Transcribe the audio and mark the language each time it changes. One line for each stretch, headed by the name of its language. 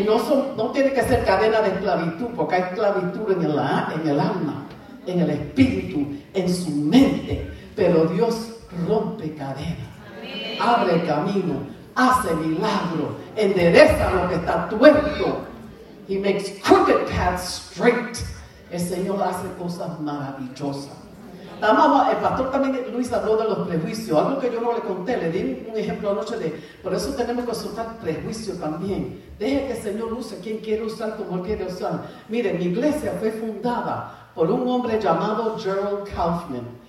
Spanish: Y no tiene que ser cadena de esclavitud, porque hay esclavitud en el alma, en el espíritu, en su mente. Pero Dios rompe cadenas. Abre el camino, hace milagro, endereza lo que está tuerto.
English: He makes crooked paths straight.
Spanish: El Señor hace cosas maravillosas. La mamá, el pastor también, Luis, habló de los prejuicios. Algo que yo no le conté, le di un ejemplo anoche de, por eso tenemos que soltar prejuicios también. Deje que el Señor use quien quiere usar como él quiere usar. Mire, mi iglesia fue fundada por un hombre llamado Gerald Kaufman.